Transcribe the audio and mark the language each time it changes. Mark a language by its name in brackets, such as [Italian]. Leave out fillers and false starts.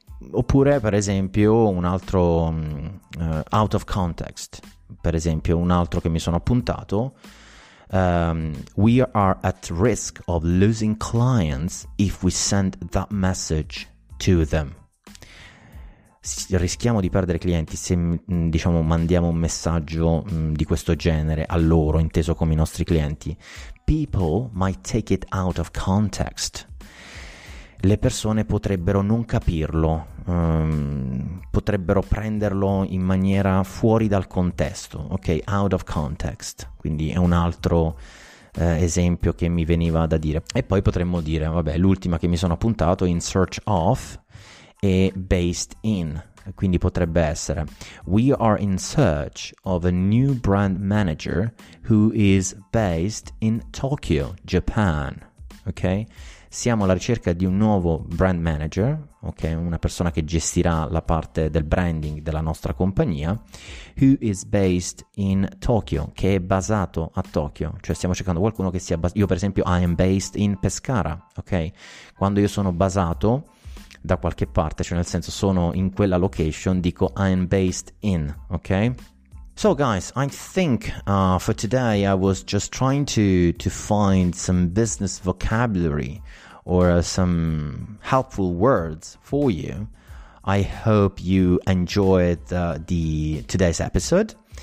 [Italian] Oppure, per esempio, un altro [English] out of context, [Italian] per esempio, un altro che mi sono appuntato, [English] we are at risk of losing clients if we send that message to them. [Italian] Rischiamo di perdere clienti se, diciamo, mandiamo un messaggio di questo genere a loro, inteso come i nostri clienti. [English] People might take it out of context. [Italian] Le persone potrebbero non capirlo, potrebbero prenderlo in maniera fuori dal contesto, ok? Out of context. Quindi è un altro esempio che mi veniva da dire. E poi potremmo dire, vabbè, l'ultima che mi sono appuntato, in search of e based in. Quindi potrebbe essere, [English] we are in search of a new brand manager who is based in Tokyo, Japan. [Italian] Ok? Siamo alla ricerca di un nuovo brand manager, ok, una persona che gestirà la parte del branding della nostra compagnia, [English] who is based in Tokyo, [Italian] che è basato a Tokyo, cioè stiamo cercando qualcuno che sia basato, io per esempio [English] I am based in Pescara, [Italian] ok, quando io sono basato da qualche parte, cioè nel senso sono in quella location, dico [English] I am based in, [Italian] ok? [English] So guys, I think for today I was just trying to find some business vocabulary or some helpful words for you. I hope you enjoyed the today's episode.